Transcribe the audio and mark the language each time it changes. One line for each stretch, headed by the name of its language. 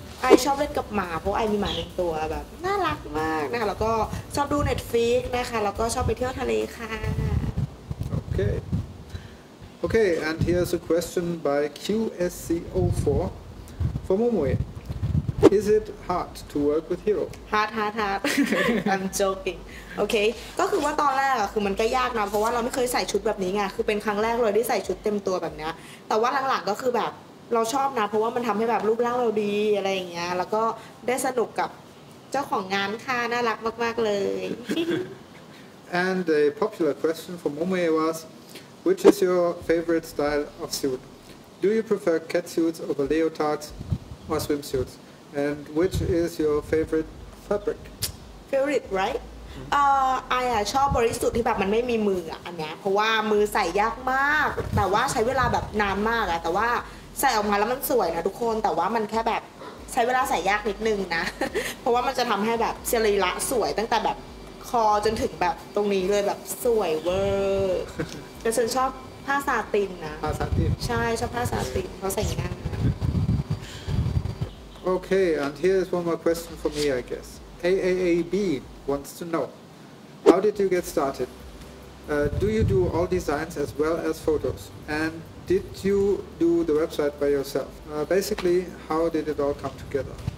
Thai: I ชอบเล่นกับหมาเพราะไอ้มีหมาหนึ่งตัวแบบน่ารักมากนะคะแล้วก็ชอบดู Netflix นะคะแล้วก็ชอบไปเที่ยวทะเลค่ะ
English: Okay. Okay, and here's a question by QSCO4 for Momoe. Is it hard to work with Hiro? Hard. I'm joking. Okay.
Thai: ก็คือว่าตอนแรกอ่ะคือมันก็ยากนะเพราะว่าเราไม่เคยใส่ชุดแบบนี้ไงคือเป็นครั้งแรกเลยที่ใส่ชุดเต็มตัวแบบนี้แต่ว่าหลังๆก็คือแบบเราชอบนะเพราะว่ามันทําให้แบบรูปร่างเราดีอะไรอย่างเงี้ยแล้วก็ได้สนุกกับเจ้าของงานค่ะน่ารักมากๆเลย
English: And a popular question for Momoe wasWhich is your favorite style of suit? Do you prefer catsuits over leotards or swimsuits? And which is your favorite fabric? Favorite, right?
Thai: I ชอบบริสุทธิ์ที่แบบมันไม่มีมืออันนี้เพราะว่ามือใส่ยากมากแต่ว่าใช้เวลาแบบนานมากอะแต่ว่าใส่ออกมาแล้วมันสวยนะทุกคนแต่ว่ามันแค่แบบใช้เวลาใส่ยากนิดนึงนะเพราะว่ามันจะทำให้แบบสรีระสวยตั้งแต่แบบคอจนถึงแบบตรงนี้เลยแบบสวยเวอร์แต่ฉันชอบผ้าซาตินนะ ผ้าซาติน ใช่ชอบผ้าซาตินเพราะใส่ง่าย
English: โอเค and here is one more question for me I guess AAAB wants to know how did you get started do you do all designs as well as photos and did you do the website by yourself? Basically, how did it all come together?